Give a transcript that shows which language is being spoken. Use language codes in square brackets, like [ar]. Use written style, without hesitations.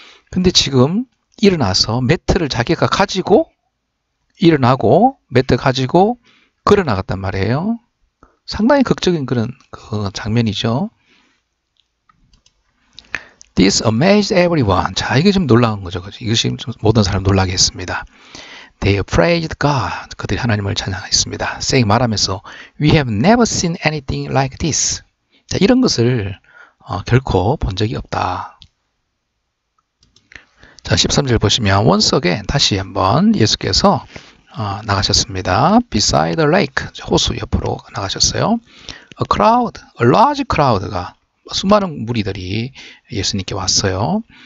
[ko] 근데 지금 일어나서 매트를 자기가 가지고 일어나고 매트 가지고 걸어 나갔단 말이에요. 상당히 극적인 그런 그 장면이죠. [en] This amazed everyone. [ko] 자, 이게 좀 놀라운 거죠. 그죠? 이것이 좀 모든 사람 놀라게 했습니다. [en] They praised God. [ko] 그들이 하나님을 찬양했습니다. [en] Say 말하면서 We have never seen anything like this. [ko] 자, 이런 것을 결코 본 적이 없다. 자, 13절 보시면 [en] Once again, [ko] 다시 한번 예수께서 나가셨습니다. [en] Beside the lake, [ko] 호수 옆으로 나가셨어요. [en] A crowd, a large crowd가 [ko] 수많은 무리들이 예수님께 왔어요.